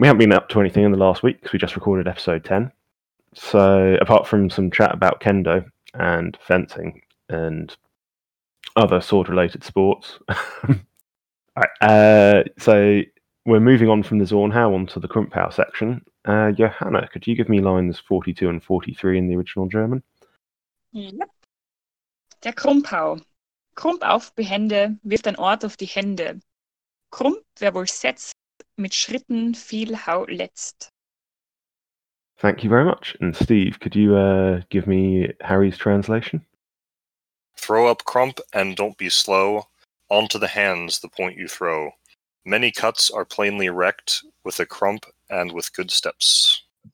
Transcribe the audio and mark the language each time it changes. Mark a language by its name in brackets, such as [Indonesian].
[English] We haven't been up to anything in the last week, because we just recorded episode 10. So, apart from some chat about kendo and fencing and other sword-related sports. All right, so we're moving on from the Zornhau onto the Krumphau section. Johanna, could you give me lines 42 and 43 in the original German? [German] Yep. Der Krumphau. Krump auf Behände wirft ein Ort auf die Hände. Krump, wer wohl setzt, mit Schritten viel Hau letzt. [English] Thank you very much. And Steve, could you give me Harry's translation? Throw up Krump and don't be slow. Onto the hands, the point you throw. Many cuts are plainly wrecked with a Krump and with good steps.